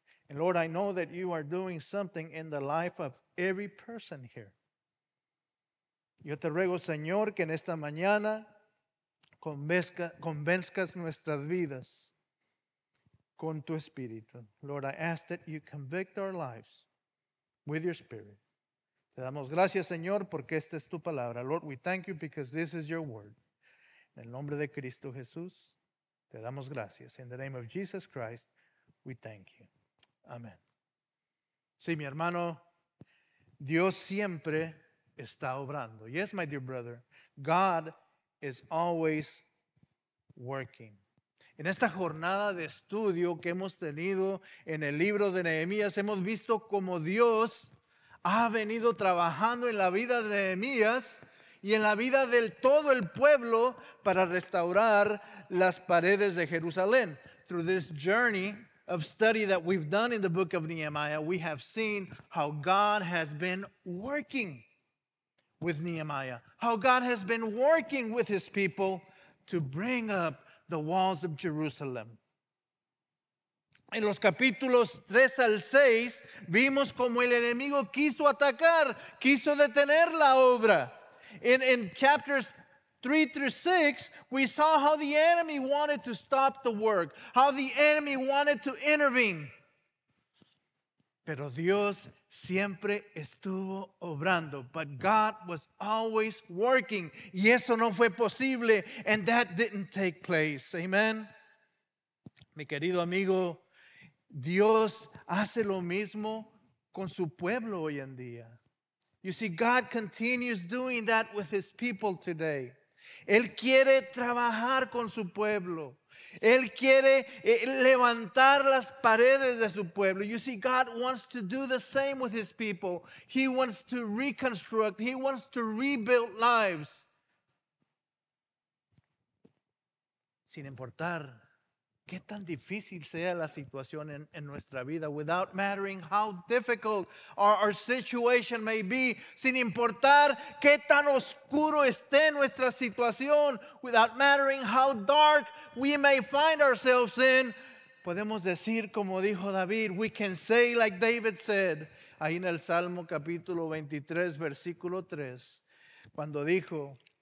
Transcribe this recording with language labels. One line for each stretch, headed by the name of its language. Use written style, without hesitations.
English: And Lord, I know that you are doing something in the life of every person here.
Spanish: Yo te ruego, Señor, que en esta mañana convenzcas nuestras vidas con tu espíritu.
English: Lord, I ask that you convict our lives with your spirit.
Spanish: Te damos gracias, Señor, porque esta es tu palabra.
English: Lord, we thank you because this is your word.
Spanish: En el nombre de Cristo Jesús, te damos gracias.
English: In the name of Jesus Christ, we thank you.
Spanish: Amén. Sí, mi hermano, Dios siempre está obrando.
English: Yes, my dear brother, God is always working.
Spanish: En esta jornada de estudio que hemos tenido en el libro de Nehemías, hemos visto cómo Dios ha venido trabajando en la vida de Nehemías y en la vida de todo el pueblo para restaurar las paredes de Jerusalén.
English: Through this journey of study that we've done in the book of Nehemiah, we have seen how God has been working with Nehemiah, how God has been working with his people to bring up the walls of Jerusalem.
Spanish: En los capítulos 3 al 6, vimos como el enemigo quiso atacar, quiso detener la obra.
English: In chapters 3 through 6, we saw how the enemy wanted to stop the work, how the enemy wanted to intervene.
Spanish: Pero Dios siempre estuvo obrando,
English: but God was always working.
Spanish: Y eso no fue posible,
English: and that didn't take place.
Spanish: Amen. Mi querido amigo, Dios hace lo mismo con su pueblo hoy en día.
English: You see, God continues doing that with his people today.
Spanish: Él quiere trabajar con su pueblo. Él quiere levantar las paredes de su pueblo.
English: You see, God wants to do the same with his people. He wants to reconstruct. He wants to rebuild lives.
Spanish: Sin importar qué tan difícil sea la situación en nuestra vida,
English: without mattering how difficult our situation may be,
Spanish: sin importar qué tan oscuro esté nuestra situación,
English: without mattering how dark we may find ourselves in,
Spanish: podemos decir como dijo David,
English: we can say like David said,
Spanish: ahí en el Salmo capítulo 23, versículo 3, cuando dijo,